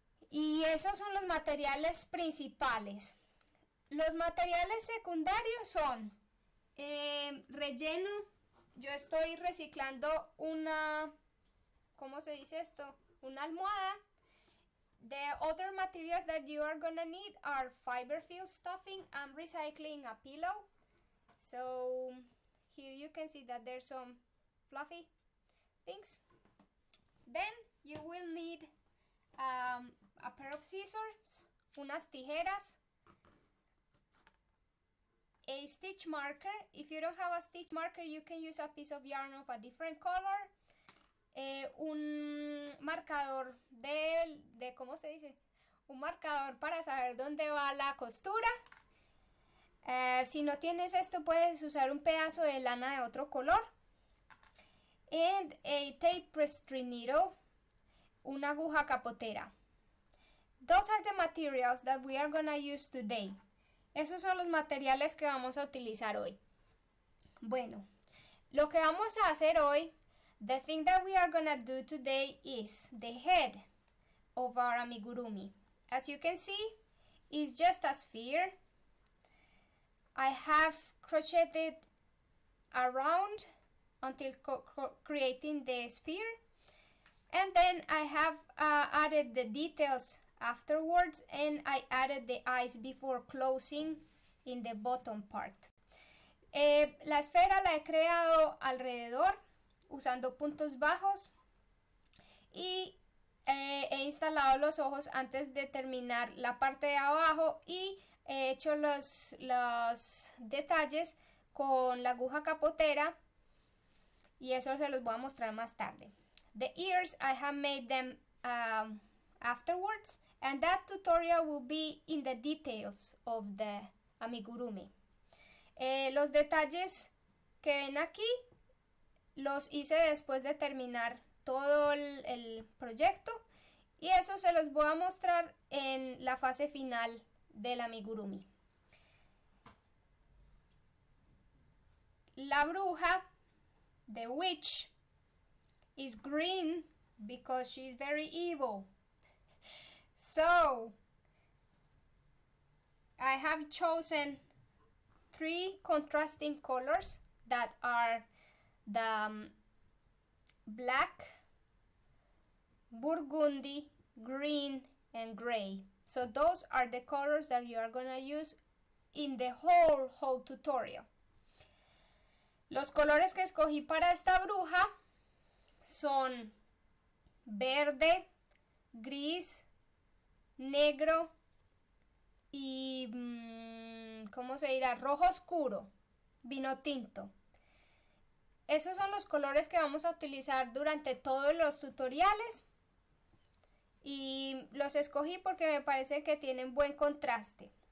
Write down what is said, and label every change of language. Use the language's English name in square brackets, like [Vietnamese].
[Spanish] Y esos son los materiales principales. Los materiales secundarios son relleno. Yo estoy reciclando una, ¿cómo se dice esto?, una almohada. [English] The other materials that you are gonna need are fiberfill stuffing. I'm recycling a pillow. So here you can see that there's some fluffy things. Then you will need a pair of scissors, unas tijeras, a stitch marker. If you don't have a stitch marker, you can use a piece of yarn of a different color. [Spanish] Un marcador de ¿cómo se dice? Un marcador para saber dónde va la costura. Si no tienes esto, puedes usar un pedazo de lana de otro color. [English] And a tapestry needle, una aguja capotera. Those are the materials that we are gonna use today. [Spanish] Esos son los materiales que vamos a utilizar hoy. [English] Bueno, lo que vamos a hacer hoy, the thing that we are gonna do today is the head of our amigurumi. As you can see, it's just a sphere. I have crocheted around until creating the sphere. And then I have added the details afterwards, and I added the eyes before closing in the bottom part. [Spanish] La esfera la he creado alrededor usando puntos bajos, y He instalado los ojos antes de terminar la parte de abajo y he hecho los detalles con la aguja capotera y eso se los voy a mostrar más tarde. [English] The ears, I have made them afterwards, and that tutorial will be in the details of the amigurumi. [Spanish] Los detalles que ven aquí los hice después de terminar todo el proyecto y eso se los voy a mostrar en la fase final del amigurumi. [English] La bruja, the witch, is green because she's very evil. So, I have chosen three contrasting colors that are the black, burgundy, green, and gray. So those are the colors that you are going to use in the whole tutorial. [Spanish] Los colores que escogí para esta bruja son verde, gris, negro y, ¿cómo se dirá? Rojo oscuro, vino tinto. Esos son los colores que vamos a utilizar durante todos los tutoriales y los escogí porque me parece que tienen buen contraste.